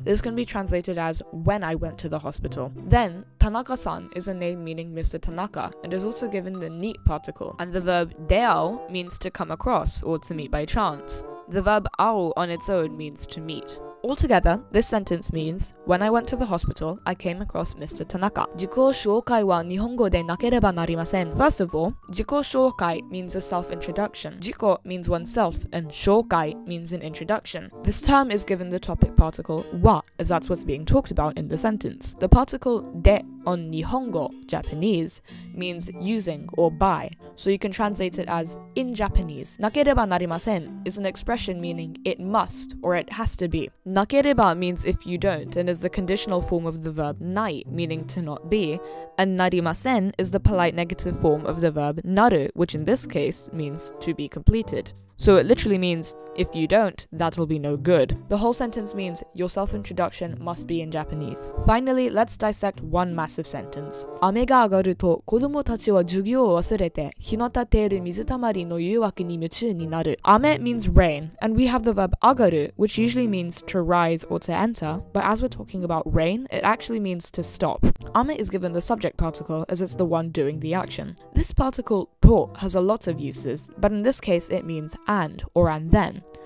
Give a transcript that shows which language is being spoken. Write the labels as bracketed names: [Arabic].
[English] This can be translated as "when I went to the hospital." Then, "Tanaka-san" is a name meaning Mr. Tanaka, and is also given the "ni" particle. And the verb "deau" means to come across, or to meet by chance. The verb "au" on its own means to meet. Altogether, this sentence means, "When I went to the hospital, I came across Mr. Tanaka." [Japanese] 自己紹介は日本語でなければなりません. [English] First of all, 自己紹介 means a self-introduction. 自己 means oneself, and 紹介 means an introduction. This term is given the topic particle "wa," as that's what's being talked about in the sentence. The particle "で" on Nihongo, Japanese, means using or by, so you can translate it as in Japanese. Nakereba narimasen is an expression meaning it must or it has to be. Nakereba means if you don't and is the conditional form of the verb nai, meaning to not be, and narimasen is the polite negative form of the verb naru, which in this case means to be completed. So it literally means, if you don't, that'll be no good. The whole sentence means, your self-introduction must be in Japanese. Finally, let's dissect one massive sentence. [Japanese] 雨が上がると子供たちは授業を忘れて日の立てる水たまりの誘惑に夢中になる。 [English] 雨 means rain, and we have the verb 上がる, which usually means to rise or to enter, but as we're talking about rain, it actually means to stop. 雨 is given the subject particle, as it's the one doing the action. This particle, to, has a lot of uses, but in this case it means and or and then.